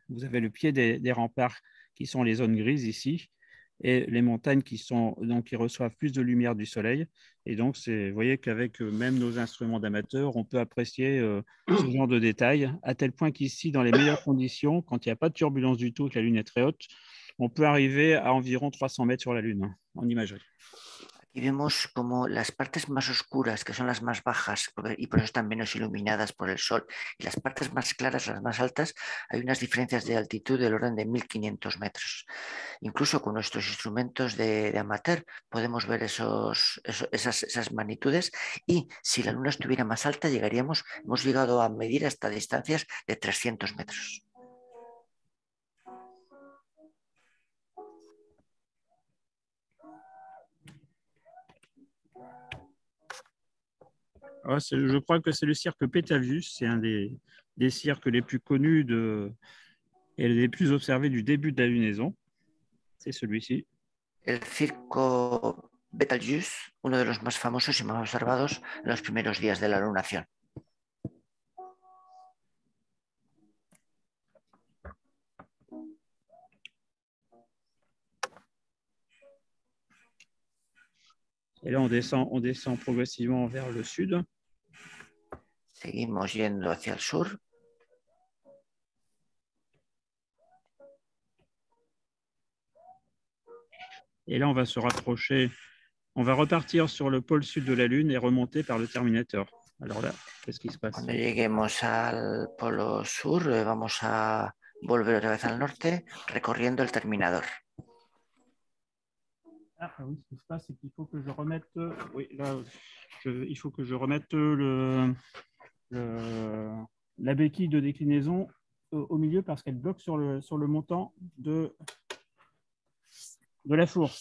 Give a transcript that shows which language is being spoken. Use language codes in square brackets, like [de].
[fr] Vous avez le pied des remparts, qui sont les zones grises ici, et les montagnes qui reçoivent plus de lumière du soleil. Et donc, vous voyez qu'avec même nos instruments d'amateurs, on peut apprécier ce genre de détails, à tel point qu'ici, dans les meilleures conditions, quand il n'y a pas de turbulence du tout, que la Lune est très haute, on peut arriver à environ 300 mètres sur la Lune, en imagerie. [es] Y vemos como las partes más oscuras, que son las más bajas, y por eso están menos iluminadas por el sol, y las partes más claras, las más altas, hay unas diferencias de altitud del orden de 1.500 metros. Incluso con nuestros instrumentos de amateur podemos ver esas magnitudes, y si la Luna estuviera más alta, hemos llegado a medir hasta distancias de 300 metros. [fr] Je crois que c'est le cirque Pétavius, c'est un des cirques les plus connus et les plus observés du début de la lunaison. C'est celui-ci. [es] El circo Betelgeuse, uno de los más famosos y más observados en los primeros días de la lunación. [fr] Et là, on descend progressivement vers le sud. [es] Seguimos yendo hacia el sur. [fr] Et là, on va se rapprocher. On va repartir sur le pôle sud de la Lune et remonter par le Terminator. Alors là, qu'est-ce qui se passe? [es] Cuando lleguemos al polo sur, vamos a volver otra vez al norte, recorriendo el Terminator. [fr] Ah, oui, ce qui se passe, c'est qu'il faut que je remette. Oui, là, il faut que je remette la béquille de déclinaison au milieu parce qu'elle bloque sur le montant de la fourche.